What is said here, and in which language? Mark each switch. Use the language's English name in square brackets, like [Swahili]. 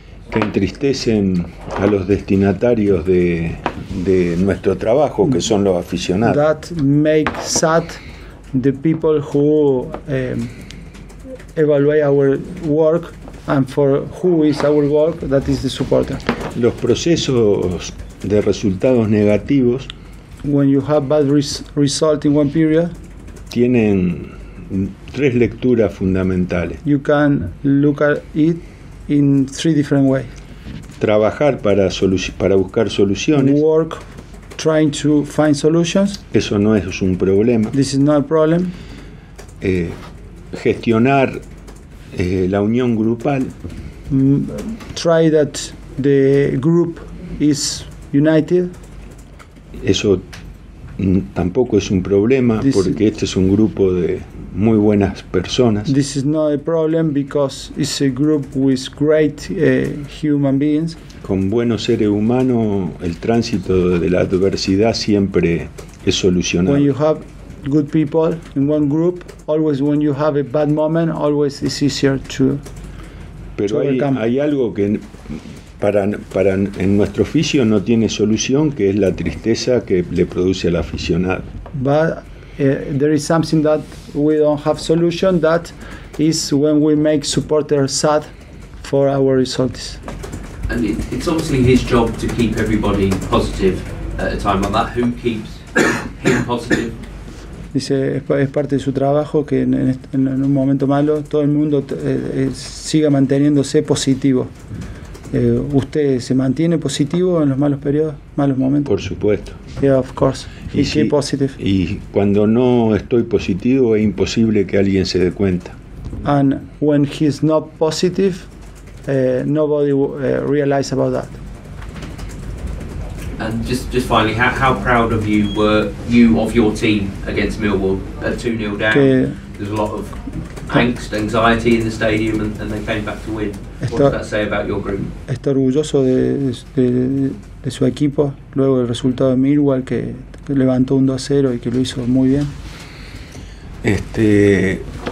[Spanish] que entristecen a los destinatarios de nuestro trabajo que son los aficionados [English] that make sad the people who evaluate our work and for who is our work that is the supporter. [Spanish] Los procesos de resultados negativos [English] when you have bad result in one period [Spanish] tienen tres lecturas fundamentales. [English] You can look at it in three different ways. [Spanish] Trabajar para buscar soluciones. [English] Work trying to find solutions. [Spanish] Eso no es un problema. [English] This is not a problem. [Spanish] Gestionar la unión grupal. [English] Try that the group is united. [Spanish] Eso tampoco es un problema this porque este es un grupo de muy buenas personas. [English] This is not a problem because it's a group with great human beings. [Spanish] Con buenos seres humanos, el tránsito de la adversidad siempre es solucionado. [English] When you have good people in one group always when you have a bad moment always it's easier to [Spanish] pero hay [English] overcome. [Spanish] Hay algo que para en nuestro oficio no tiene solución que es la tristeza que le produce al aficionado [English] but there is something that we don't have solution that is when we make supporters sad for our results and it's obviously his job to keep everybody positive at a time like that who keeps him positive. [Spanish] Dice, es parte de su trabajo que en un momento malo todo el mundo siga manteniéndose positivo. ¿Usted se mantiene positivo en los malos periodos, malos momentos? Por supuesto. [English] Yeah, of course. He keep positive. [Spanish] Y cuando no estoy positivo es imposible que alguien se dé cuenta. [English] And when he's not positive, nobody realize about that. And just finally, how proud of you were you of your team against Millwall at 2-0 down? [Spanish] Que, [English] there's a lot of angst, anxiety in the stadium, and they came back to win. [Spanish] Está, [English] what does that say about your group? [Spanish] Está orgulloso de su equipo luego del resultado de Millwall que levantó un 2-0 y que lo hizo muy bien.